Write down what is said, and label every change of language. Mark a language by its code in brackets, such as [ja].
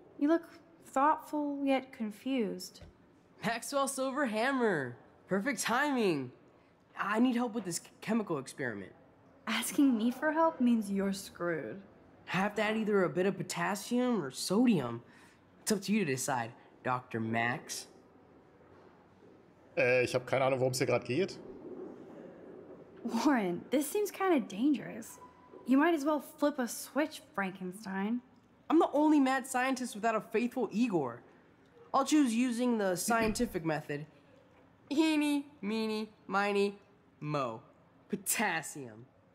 [en] You look thoughtful yet confused. Maxwell Silverhammer. Perfect timing. I need help with this chemical experiment. Asking me for help means you're screwed. I have to add either a bit of potassium or sodium. It's up to you to decide. Dr. Max? [de] Ich habe keine Ahnung, worum es hier gerade geht. [en] Warren, this seems kind of dangerous. You might as well flip a switch, Frankenstein. I'm the only mad scientist without a faithful Igor. I'll choose using the scientific method. Heeny, meeny, miny, mo. Potassium.